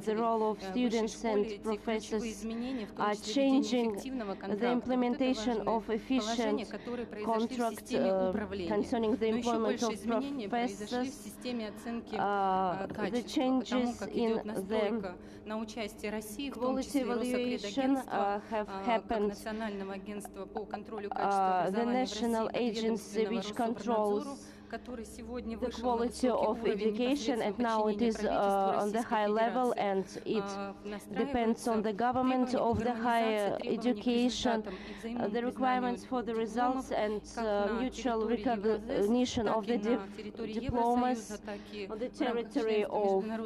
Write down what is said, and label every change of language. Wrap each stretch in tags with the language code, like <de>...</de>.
<en>The role of students and professors are changing. The implementation of efficient contract concerning the employment of professors, the changes in the</en> <ru>на участие России в том числе Росаккредитованства Национального агентства по контролю качества образования в России,</ru> <en>which controls the quality of education, and now it is on the high level, and it depends on the government of the higher education, the requirements for the results, and mutual recognition of the diplomas on the territory of</en>